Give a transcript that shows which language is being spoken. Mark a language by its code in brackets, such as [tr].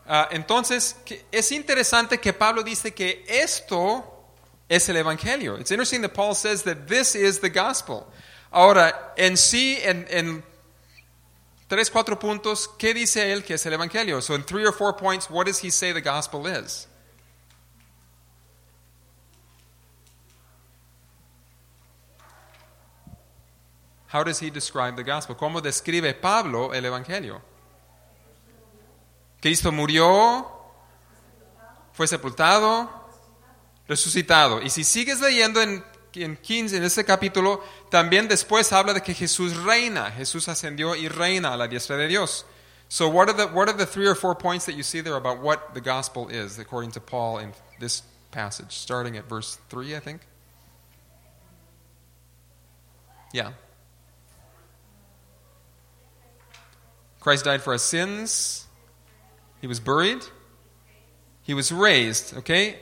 [es] Entonces, es interesante que Pablo dice que esto es el Evangelio. [en] It's interesting that Paul says that this is the gospel. [es] Ahora, en sí, en tres, cuatro puntos, ¿qué dice él que es el Evangelio? [en] So, in three or four points, what does he say the gospel is? How does he describe the gospel? [es] ¿Cómo describe Pablo el Evangelio? Cristo murió, fue sepultado, resucitado. Y si sigues leyendo en 15, en ese capítulo, también después habla de que Jesús reina. Jesús ascendió y reina a la diestra de Dios. [en] So what are the three or four points that you see there about what the gospel is, according to Paul in this passage, starting at verse 3, I think? Yeah. Christ died for our sins. He was buried. He was raised. Okay?